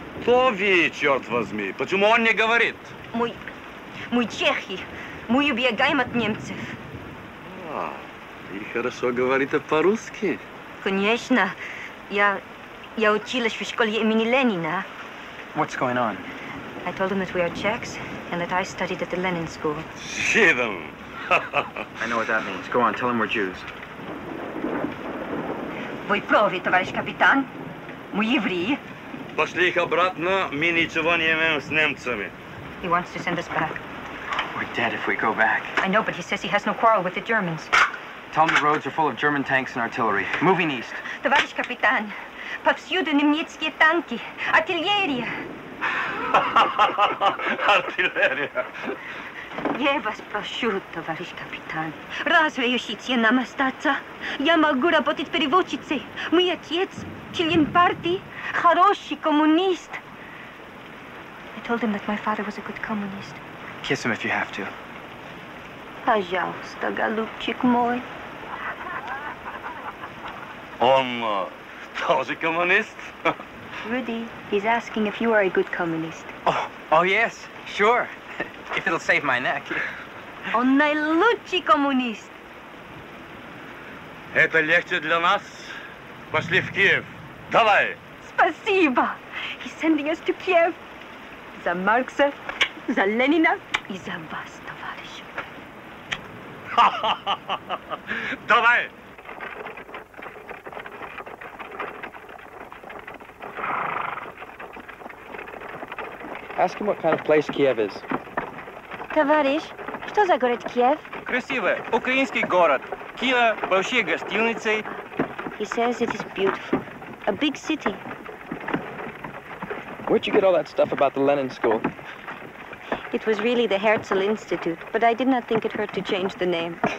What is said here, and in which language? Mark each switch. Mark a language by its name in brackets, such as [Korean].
[Russian] Кто вы, черт возьми? Почему он не говорит? Мы чехи. Мы убегаем от немцев. И хорошо говорите по-русски. Конечно. Я училась в школе имени Ленина. [English] What's going on? I told him that we are Czechs and that I studied at the Lenin school. [Russian] Жидам! [English] I know what that means. Go on, tell him we're Jews. [Russian] Вы правы, товарищ капитан. Мы евреи. Пошли их обратно, мы ничего не имеем с немцами. [English] He wants to send us back. We're dead if we go back. I know, but he says he has no quarrel with the Germans. Tell them the roads are full of German tanks and artillery. Moving east. [Russian] Товарищ капитан, повсюду немецкие танки, артиллерия. Артиллерия. Я вас прошу, товарищ капитан, разве решите нам остаться? Я могу работать переводчицей. Мой отец, член партии, хороший коммунист. [English] I told him that my father was a good communist. Kiss him if you have to. [Russian] Пожалуйста, голубчик мой. Он тоже коммунист? [English] Rudy, he's asking if you are a good communist. Oh, yes, sure. If it'll save my neck. [Russian] Он наилучший коммунист. Это легче для нас. Пошли в Киев. Давай. Спасибо. [English] He's sending us to Kiev. [Russian] За Маркса, за Ленина и за вас, товарищ. Давай. [English] Ask him what kind of place Kiev is. [Russian] Товарищ, что за город Киев? Красивый, украинский город. Киев, большие гостиницы. [English] He says it is beautiful. A big city. Where'd you get all that stuff about the Lenin school? It was really the Herzl Institute, but I did not think it hurt to change the name.